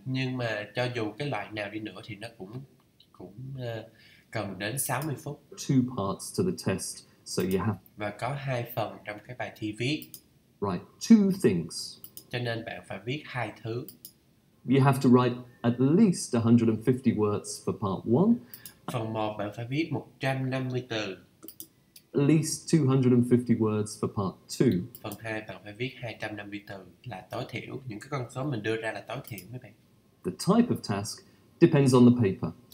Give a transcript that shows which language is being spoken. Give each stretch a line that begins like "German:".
Vietnamese: nhưng mà cho dù cái loại nào đi nữa thì nó cũng cần đến 60 phút.
English: Two parts to the test, so you have.
Vietnamese: Và có hai phần trong cái bài thi viết.
English: Right, two things.
Vietnamese: Cho nên bạn phải viết hai thứ.
English: You have to write at least 150 words for part one.
Vietnamese: Phần một bạn phải viết 150 từ.
English: At least 250 words for part 2.
Vietnamese: Phần 2 bạn phải viết 250 từ là tối thiểu. Những cái con số mình đưa ra là tối thiểu mấy bạn.
English: The type of task depends on the paper.